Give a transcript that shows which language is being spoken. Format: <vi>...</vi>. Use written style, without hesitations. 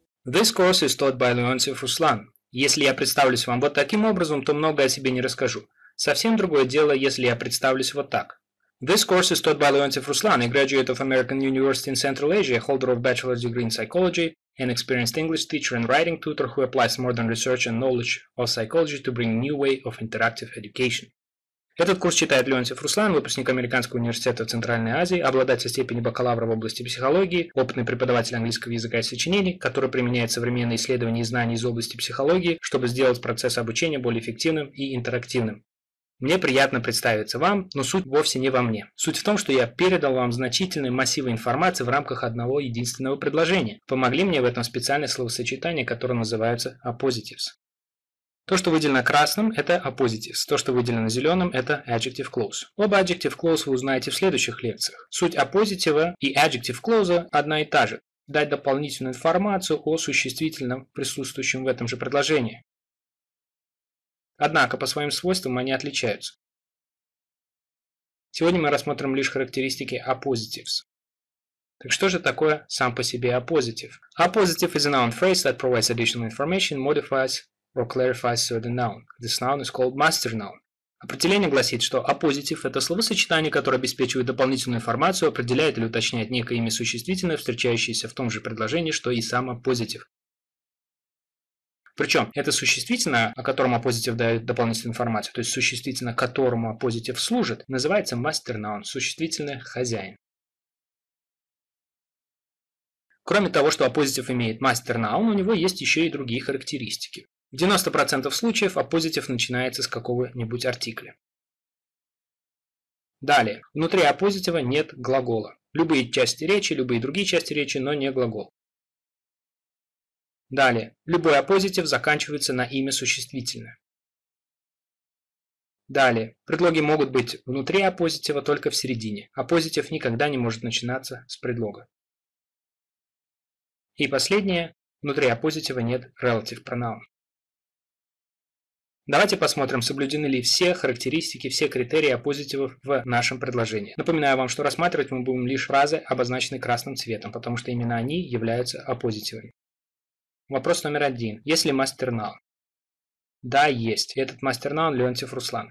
<en>This course is taught by Leontief Ruslan.</en> <ru>Если я представлюсь вам вот таким образом, то многое о себе не расскажу. Совсем другое дело, если я представлюсь вот так.</ru> <en>This course is taught by Leontief Ruslan, a graduate of American University in Central Asia, holder of bachelor's degree in psychology, an experienced English teacher and writing tutor who applies modern research and knowledge of psychology to bring new way of interactive education.</en> <ru>Этот курс читает Леонтьев Руслан, выпускник Американского университета в Центральной Азии, обладатель степени бакалавра в области психологии, опытный преподаватель английского языка и сочинений, который применяет современные исследования и знания из области психологии, чтобы сделать процесс обучения более эффективным и интерактивным. Мне приятно представиться вам, но суть вовсе не во мне. Суть в том, что я передал вам значительные массивы информации в рамках одного единственного предложения. Помогли мне в этом специальные словосочетания, которые называются «appositives». То, что выделено красным, это appositives. То, что выделено зеленым, это adjective clause. Оба adjective clause вы узнаете в следующих лекциях. Суть appositive и adjective clause одна и та же. Дать дополнительную информацию о существительном, присутствующем в этом же предложении. Однако по своим свойствам они отличаются. Сегодня мы рассмотрим лишь характеристики appositives. Так что же такое сам по себе appositive?</ru> <en>Appositive is a noun phrase that provides additional information, modifies or clarifies certain noun. This noun is called master noun.</en> <ru>Определение гласит, что appositive – это словосочетание, которое обеспечивает дополнительную информацию, определяет или уточняет некое имя существительное, встречающееся в том же предложении, что и сам appositive. Причем это существительное, о котором appositive дает дополнительную информацию, то есть существительное, которому appositive служит, называется master noun – существительное хозяин. Кроме того, что appositive имеет master noun, у него есть еще и другие характеристики. В 90% случаев appositive начинается с какого-нибудь артикля. Далее. Внутри appositive нет глагола. Любые части речи, любые другие части речи, но не глагол. Далее. Любой appositive заканчивается на имя существительное. Далее. Предлоги могут быть внутри appositive, только в середине. Appositive никогда не может начинаться с предлога. И последнее. Внутри appositive нет relative pronoun. Давайте посмотрим, соблюдены ли все характеристики, все критерии appositives в нашем предложении. Напоминаю вам, что рассматривать мы будем лишь фразы, обозначенные красным цветом, потому что именно они являются appositives. Вопрос номер один. Есть ли master noun? Да, есть. Этот master noun Леонтьев Руслан.</ru>